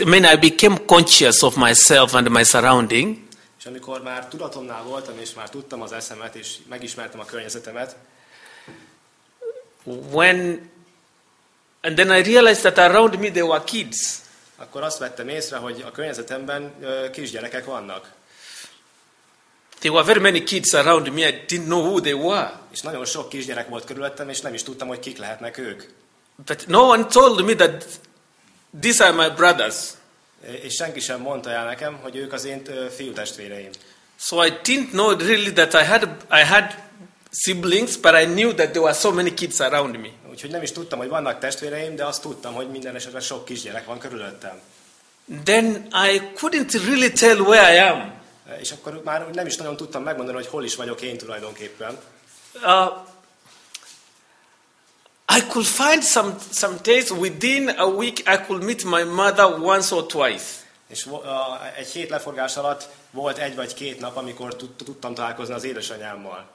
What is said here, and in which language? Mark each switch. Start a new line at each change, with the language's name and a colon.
English: I mean, I became conscious of myself and my surrounding.
Hungarian: És amikor már tudatomnál voltam és már tudtam az eszemet és megismertem a környezetemet.
English: And then I realized that around me there were kids.
Hungarian: Akkor azt vettem észre, hogy a környezetemben kisgyerekek vannak.
English: There were very many kids around me. I didn't know who they were.
Hungarian: És nagyon sok kisgyerek volt körülöttem, és nem is tudtam, hogy kik lehetnek ők.
English: But no one told me that these are my brothers.
Hungarian: És senki sem mondta el nekem, hogy ők az én fiú testvéreim.
English: So I didn't know really that I had siblings, but I knew that there were so many kids around me.
Hungarian: Úgyhogy nem is tudtam, hogy vannak testvéreim, de azt tudtam, hogy minden esetben sok kisgyerek van körülöttem.
English: Then I couldn't really tell where I am.
Hungarian: És akkor már nem is nagyon tudtam megmondani, hogy hol is vagyok én tulajdonképpen.
English: I could find some days within a week I could meet my mother once or twice.
Hungarian: És egy hét leforgás alatt volt egy vagy két nap, amikor tudtam találkozni az édesanyámmal.